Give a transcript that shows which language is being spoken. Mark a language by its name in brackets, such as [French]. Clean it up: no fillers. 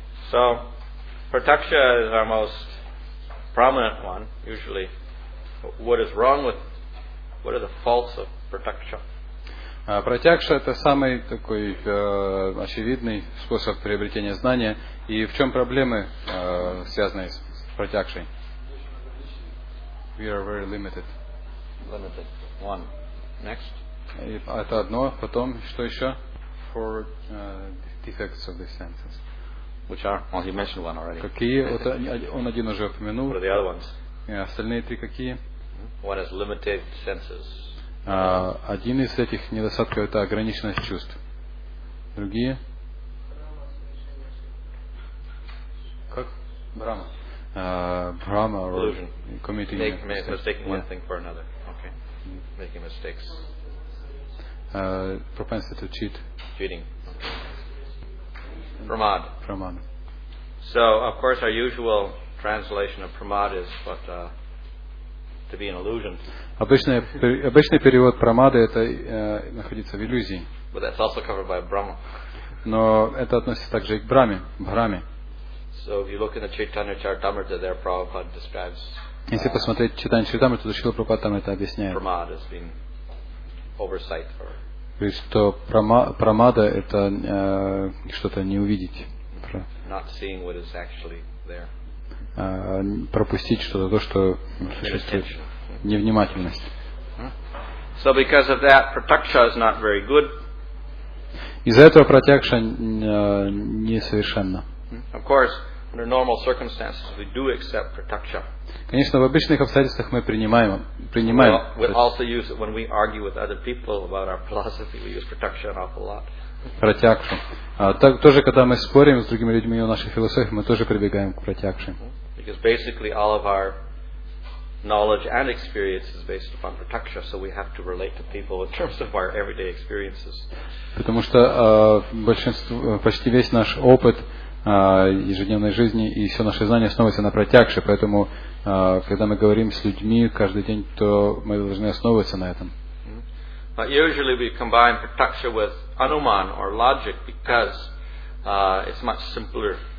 [English] So, pratyaksha is our most prominent one, usually. What is wrong with What are the faults of pratyaksha? [Russian] Pratyaksha – это самый такой очевидный способ приобретения знания. И в чем проблемы, связанные с pratyakshay? [English] We are very limited. Limited. One. Next. [Russian] И это одно. Потом, что еще? [English] For defects of the senses. Which are? Well, he mentioned one already. [Russian] Какие? Он один уже упомянул. [English] What are the other ones? [Russian] Остальные три какие? [English] One is limited senses. [Russian] Один из этих недостатков это ограниченность чувств. Другие? Как? Брама. Брама [English] or illusion. Committing mistaking one thing for another. Okay. Making mistakes. Propensity to cheat. Cheating. Okay. Pramad. Pramad. So, of course, our usual translation of pramad is what to be an illusion. [Russian] Обычный перевод прамады это находиться в иллюзии. [English] But that's also covered by Brahma. [Russian] Но это относится также и к Брахме, Брахме. [English] So if you look in the Chaitanya Charitamrita, there Prabhupada describes. [Russian] Если посмотреть Чайтанья Чаритамриту, то Шрила Прабхупада там это объясняет. [English] Прамада as being oversight or. [Russian] То есть что прамада это что-то не увидеть. [English] Not seeing what is actually there. [Russian] Пропустить что-то, то, что существует невнимательность. [English] So because of that, pratyaksha is not very good. [Russian] Из-за этого pratyaksha несовершенна. [English] Of course, under normal circumstances, we do accept pratyaksha. [Russian] Конечно, в обычных обстоятельствах мы принимаем. [English] We also use it when we argue with other people about our philosophy. We use pratyaksha an awful lot. Pratyaksha. [Russian] Тоже, когда мы спорим с другими людьми о нашей философии, мы тоже прибегаем к pratyaksha. [English] Because basically all of our knowledge and experience is based upon pratyaksha, so we have to relate to people in terms of our everyday experiences. [Russian] Потому что почти весь наш опыт ежедневной жизни и все наши знания основываются на pratyaksha, поэтому когда мы говорим с людьми каждый день, то мы должны основываться на этом. [English] But usually we combine pratyaksha with anuman or logic because it's much simpler.